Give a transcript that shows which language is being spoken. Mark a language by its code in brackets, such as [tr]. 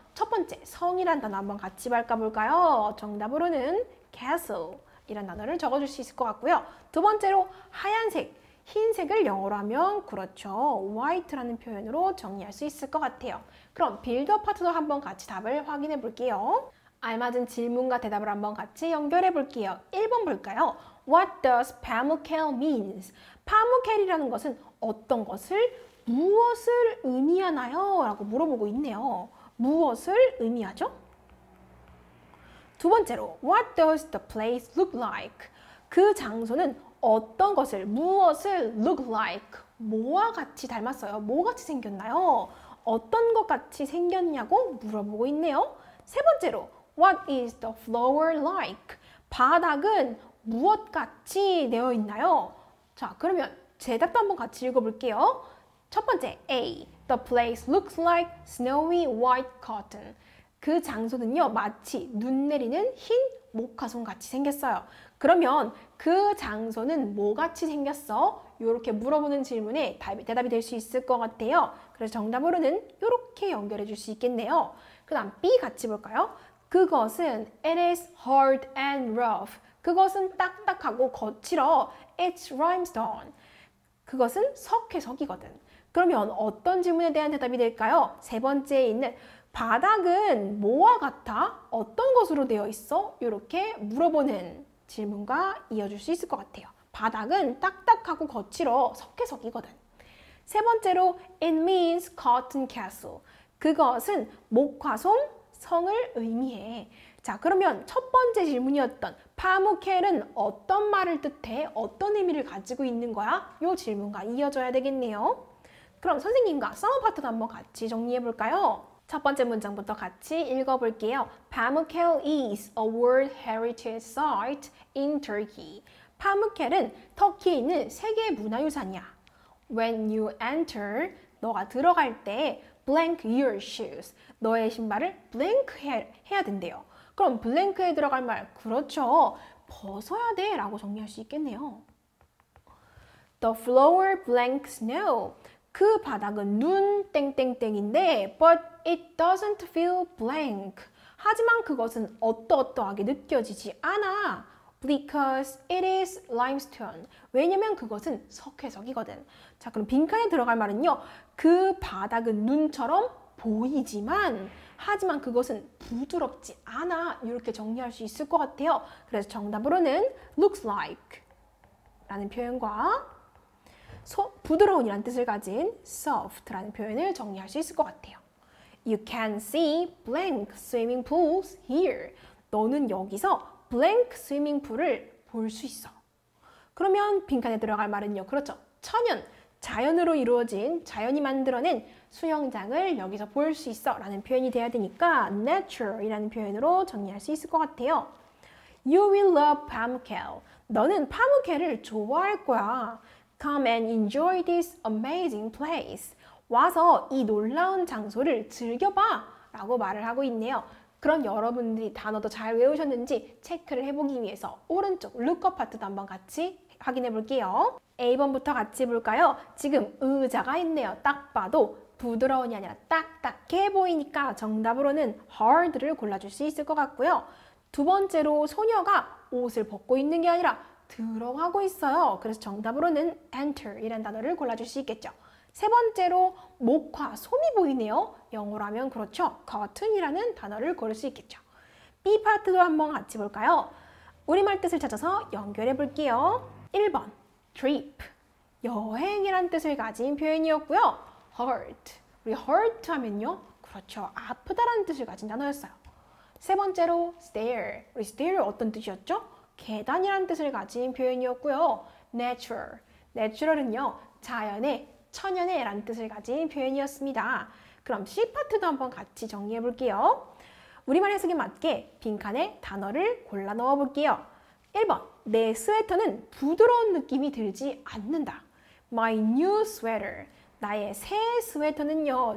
[ko] 첫 번째, 성이란 단어 한번 같이 볼까요? 정답으로는 castle 이란 단어를 적어줄 수 있을 것 같고요. 두 번째로 하얀색, 흰색을 영어로 하면 그렇죠, white라는 표현으로 정리할 수 있을 것 같아요. 그럼 빌드 파트도 한번 같이 답을 확인해 볼게요. 알맞은 질문과 대답을 한번 같이 연결해 볼게요. 1번 볼까요? [en] What does Pamukkale means? [ko] Pamukkale이라는 것은 어떤 것을, 무엇을 의미하나요? 라고 물어보고 있네요. 무엇을 의미하죠? 두 번째로, [en] What does the place look like? [ko] 그 장소는 어떤 것을, 무엇을 [en] look like? [ko] 뭐와 같이 닮았어요? 뭐같이 생겼나요? 어떤 것 같이 생겼냐고 물어보고 있네요. 세 번째로, [en] What is the floor like? [ko] 바닥은 무엇같이 되어 있나요? 자, 그러면 제답도 한번 같이 읽어볼게요. 첫 번째, [en] A. The place looks like snowy white cotton. [ko] 그 장소는요, 마치 눈 내리는 흰 목화솜 같이 생겼어요. 그러면 그 장소는 뭐같이 생겼어? 이렇게 물어보는 질문에 대답이 될 수 있을 것 같아요. 그래서 정답으로는 이렇게 연결해 줄 수 있겠네요. 그 다음 B 같이 볼까요? 그것은 [en] It is hard and rough. [ko] 그것은 딱딱하고 거칠어. [en] It's rhinestone. [ko] 그것은 석회석이거든. 그러면 어떤 질문에 대한 대답이 될까요? 세 번째에 있는 바닥은 뭐와 같아? 어떤 것으로 되어 있어? 이렇게 물어보는 질문과 이어줄 수 있을 것 같아요. 바닥은 딱딱하고 거칠어 석회석이거든. 세 번째로 [en] It means cotton castle. [ko] 그것은 목화솜 성을 의미해. 자, 그러면 첫 번째 질문이었던 파묵켈은 어떤 말을 뜻해? 어떤 의미를 가지고 있는 거야? 이 질문과 이어져야 되겠네요. 그럼 선생님과 서머 파트도 한번 같이 정리해볼까요? 첫 번째 문장부터 같이 읽어볼게요. [en] Pamukkale is a World Heritage Site in Turkey. [ko] 파묵켈은 터키에 있는 세계문화유산이야. [en] When you enter, [ko] 너가 들어갈 때 [en] blank your shoes. [ko] 너의 신발을 blank 해야 된대요. 그럼 blank에 들어갈 말, 그렇죠, 벗어야 돼 라고 정리할 수 있겠네요. [en] The floor blank snow. [ko] 그 바닥은 눈 땡땡땡인데 [en] but it doesn't feel blank. [ko] 하지만 그것은 어떠어떠하게 느껴지지 않아. [en] Because it is limestone. [ko] 왜냐면 그것은 석회석이거든. 자, 그럼 빈칸에 들어갈 말은요, 그 바닥은 눈처럼 보이지만 하지만 그것은 부드럽지 않아. 이렇게 정리할 수 있을 것 같아요. 그래서 정답으로는 [en] looks like. [ko] 라는 표현과 부드러운이란 뜻을 가진 soft라는 표현을 정리할 수 있을 것 같아요. [en] You can see blank swimming pools here. [ko] 너는 여기서 [en] blank swimming pool [ko] 을 볼 수 있어. 그러면 빈칸에 들어갈 말은요. 그렇죠. 천연, 자연으로 이루어진, 자연이 만들어낸 수영장을 여기서 볼 수 있어 라는 표현이 돼야 되니까 natural이라는 표현으로 정리할 수 있을 것 같아요. [en] You will love 파묵헬. [ko] 너는 파묵헬을 좋아할 거야. [en] Come and enjoy this amazing place. [ko] 와서 이 놀라운 장소를 즐겨봐 라고 말을 하고 있네요. 그럼 여러분들이 단어도 잘 외우셨는지 체크를 해보기 위해서 오른쪽 look-up 파트도 한번 같이 확인해 볼게요. A번부터 같이 볼까요? 지금 의자가 있네요. 딱 봐도 부드러운이 아니라 딱딱해 보이니까 정답으로는 hard를 골라줄 수 있을 것 같고요. 두 번째로 소녀가 옷을 벗고 있는 게 아니라 들어가고 있어요. 그래서 정답으로는 enter이라는 단어를 골라줄 수 있겠죠. 세 번째로 목화, 솜이 보이네요. 영어라면 그렇죠. cotton이라는 단어를 고를 수 있겠죠. B파트도 한번 같이 볼까요? 우리말 뜻을 찾아서 연결해 볼게요. 1번 trip, 여행이란 뜻을 가진 표현이었고요. hurt, 우리 hurt 하면요. 그렇죠. 아프다라는 뜻을 가진 단어였어요. 세 번째로 stair, 우리 stair 어떤 뜻이었죠? 계단이란 뜻을 가진 표현이었고요. natural, natural은요. 자연의, 천연의 라는 뜻을 가진 표현이었습니다. 그럼 C파트도 한번 같이 정리해 볼게요. 우리말 해석에 맞게 빈칸에 단어를 골라 넣어 볼게요. 1번, 내 스웨터는 부드러운 느낌이 들지 않는다. [en] My new sweater, [ko] 나의 새 스웨터는요.